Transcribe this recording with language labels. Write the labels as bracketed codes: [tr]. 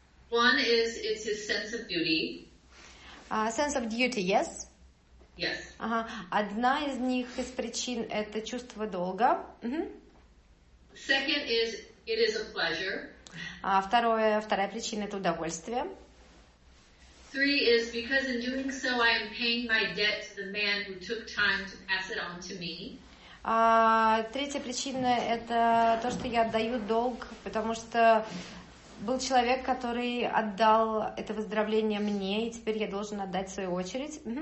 [en] One is it's his sense of duty. Sense of duty, yes. Yes. [ru] Одна из них из причин это чувство долга. [en] Second is it is a pleasure. [ru] Вторая причина это удовольствие. [en] Three is because in doing so I am paying my debt to the man who took time to pass it on to me. [ru] Третья причина это то, что я отдаю долг, потому что был человек, который отдал это выздоровление мне, и теперь я должен отдать свою очередь.